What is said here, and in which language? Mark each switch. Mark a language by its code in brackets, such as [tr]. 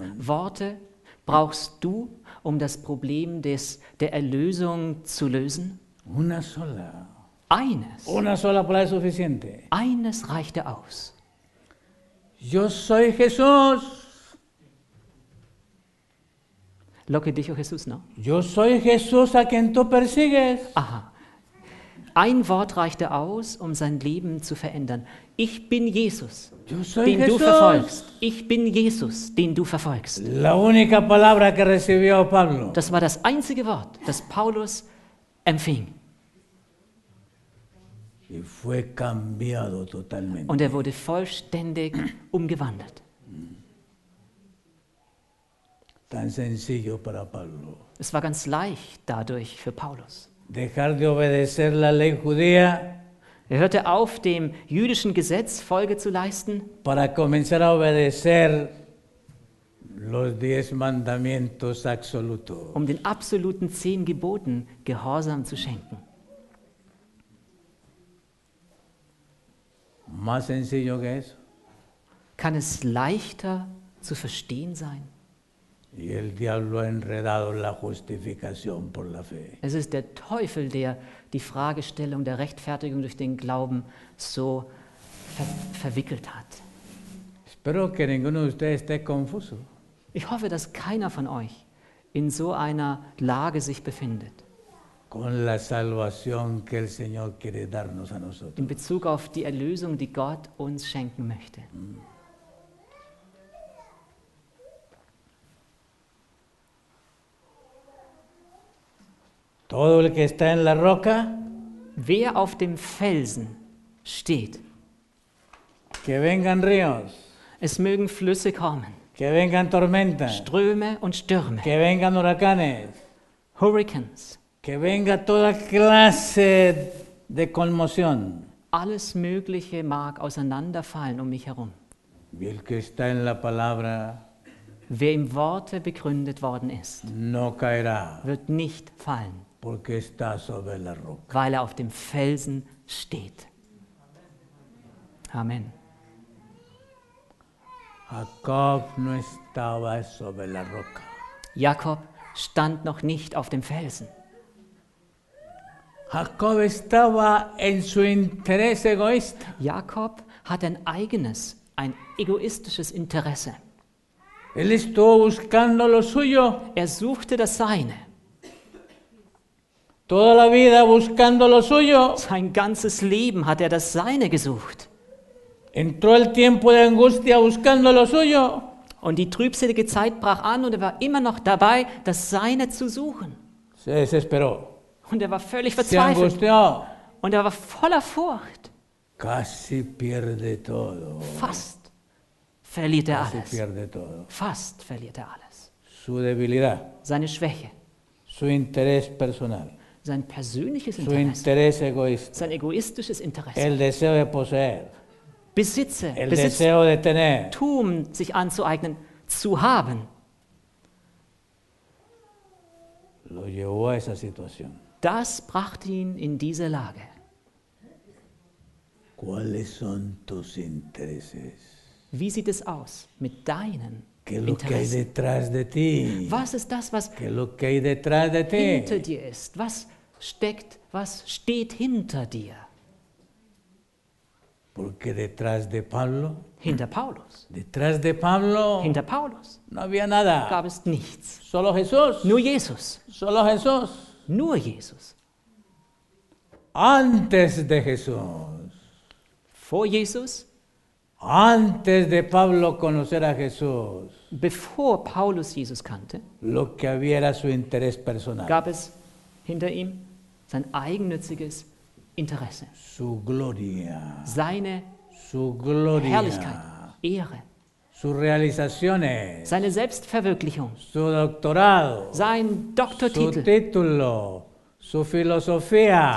[de] Wie viele Worte brauchst du, um das Problem der Erlösung zu lösen? [es] Una sola. [de] Eines. [es] Una sola palabra es suficiente. [de] Eines reichte aus. [es] Yo soy Jesús. Lo que dijo Jesús, ¿no? Yo soy Jesús a quien tú persigues. Aha. [de] Ein Wort reichte aus, um sein Leben zu verändern. Ich bin Jesus, [es] yo soy [de] den [es] Jesús. [de] Du verfolgst. Ich bin Jesus, den du verfolgst. [es] La única palabra que recibió Pablo. [de] Das war das einzige Wort, das Paulus empfing. [es] Y fue cambiado totalmente. [de] Und er wurde vollständig umgewandelt. [es] Tan sencillo para Pablo. [de] Es war ganz leicht dadurch für Paulus. [es] Dejar de obedecer la ley judía. [de] Er hörte auf, dem jüdischen Gesetz Folge zu leisten. [es] Para comenzar a obedecer los 10 mandamientos absoluto. [de] Um den absoluten 10 Geboten Gehorsam zu schenken. [es] Más sencillo que eso. [de] Kann es leichter zu verstehen sein? [es] Y el diablo ha enredado la justificación por la fe. [de] Es ist der Teufel, der die Fragestellung der Rechtfertigung durch den Glauben so verwickelt hat. [es] Espero que ninguno de ustedes esté confuso. [de] Ich hoffe, dass keiner von euch in so einer Lage sich befindet. [es] Con la salvación que el Señor quiere darnos a nosotros. [de] In Bezug auf die Erlösung, die Gott uns schenken möchte. [es] Todo el que está en la roca, [de] wer auf dem Felsen steht, [es] que vengan ríos, [de] es mögen Flüsse kommen, [es] que vengan tormentas, [de] Ströme und Stürme, [es] que vengan huracanes, [de] Hurricanes, [es] que venga toda clase de conmoción, [de] alles Mögliche mag auseinanderfallen um mich herum. [es] Y el que está en la palabra, [de] wer im Worte begründet worden ist, [es] no caerá, [de] wird nicht fallen, [es] porque está sobre la roca, [de] weil er auf dem Felsen steht. [es] Amen. Jacob no estaba sobre la roca. [de] Jakob stand noch nicht auf dem Felsen. [es] Jacob estaba en su interés egoísta. [de] Jakob hat ein eigenes, ein egoistisches Interesse. [es] Él estuvo buscando lo suyo. [de] Er suchte das Seine. [es] Toda la vida buscando lo suyo. [de] Sein ganzes Leben hat er das Seine gesucht. [es] Entró el tiempo de angustia buscando lo suyo. [de] Und die trübselige Zeit brach an und er war immer noch dabei, das Seine zu suchen. [es] Se desesperó. [de] Und er war völlig verzweifelt. [es] Se angustió. [de] Und er war voller Furcht. [es] Casi pierde todo. [de] Fast verliert er alles. [es] Pierde todo. [de] Fast verliert er alles. [es] Su debilidad. [de] Seine Schwäche. [es] Su interés personal. [de] Sein persönliches Interesse. [es] Su interés egoísta. [de] Sein egoistisches Interesse. [es] El deseo de poseer. [de] Besitze. [es] El deseo de tener. [de] Tum, sich anzueignen, zu haben. [es] Lo llevó a esa situación. [de] Das brachte ihn in diese Lage. [es] ¿Cuáles son tus intereses? [de] Wie sieht es aus mit deinen [es] que lo [de] Interessen? [es] Que hay detrás de ti? [de] Was ist das, was [es] que lo que hay detrás de ti? [de] Hinter dir ist? Was steckt, was steht hinter dir? [es] Porque detrás de Pablo, [de] hinter Paulus, [es] detrás de Pablo, [de] hinter Paulus, [es] no había nada, [de] gab es nichts. [es] Solo Jesús, [de] nur Jesus, [es] solo Jesús, [de] nur Jesus. [es] Antes de Jesús, [de] vor Jesus, [es] antes de Pablo conocer a Jesús, [de] bevor Paulus Jesus kannte, [es] lo que había era su interés personal, [de] gab es hinter ihm sein eigennütziges Interesse. [es] Su gloria. [de] Seine [es] su gloria. [de] Herrlichkeit. Ehre. [es] Su realizaciones. [de] Seine Selbstverwirklichung. [es] Su doctorado. [de] Sein Doktortitel. [es] Su título. Su filosofía.